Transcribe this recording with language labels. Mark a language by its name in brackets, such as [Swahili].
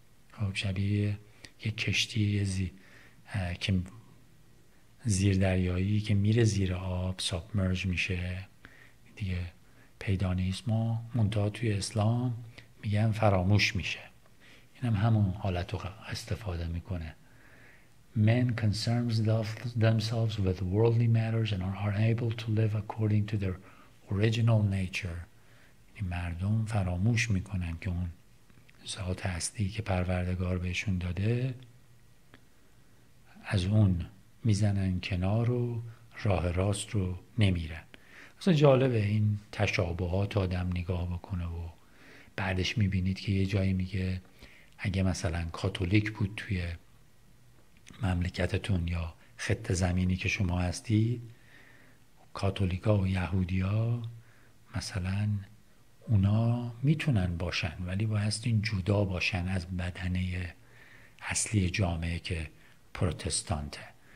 [Persian] خب شبیه یه کشتی که زیر دریایی که میره زیر آب سابمرج میشه دیگه پیدا نیست. ما منتها توی اسلام میگن فراموش میشه، اینم همون حالت رو استفاده میکنه. [English] Men concerns themselves with worldly matters and are unable to live according to their original nature. [Persian] این مردم فراموش میکنن که اون ذات اصلی که پروردگار بهشون داده، از اون میزنن کنار و راه راست رو نمیرن. اصلا جالبه این تشابهات آدم نگاه بکنه و بعدش میبینید که یه جایی میگه اگه مثلا کاتولیک بود توی مملکتتون یا خطه زمینی که شما هستی، کاتولیکا و یهودیا مثلا اونا میتونن باشن، ولی بایستین جدا باشن از بدنه اصلی جامعه که پروتستانته.